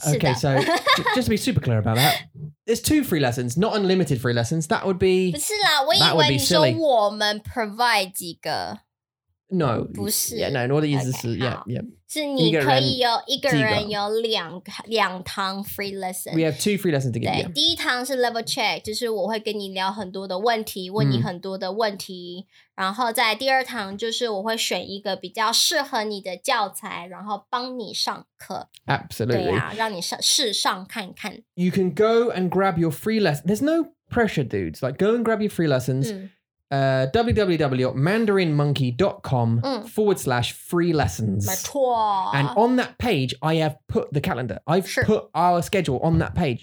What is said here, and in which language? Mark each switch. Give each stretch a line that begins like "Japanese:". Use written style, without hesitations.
English: Okay, so just to be super clear about that. There's two free lessons, not unlimited free lessons. That would be
Chinese: 不是啦, 我以为你说我们 provide 几个.
English: No.
Chinese: 不是.
English: Yeah, no, in order to use this, yeah.
Chinese: 是你可以有一个人有两堂
English: free lesson. We have two free lessons to give you.
Chinese: 第一堂是 level check, 就是我会跟你聊很多的问题,问你很多的问题, 然后在第二堂就是我会选一个比较适合你的教材, 然后帮你上课。
English: Absolutely.
Chinese: 对啊, 让你试上看看。
English: You can go and grab your free lesson. There's no pressure, dudes. Like, go and grab your free lessons. www.mandarinmonkey.com/free-lessons. And on that page, I have put the calendar. I've put our schedule on that page.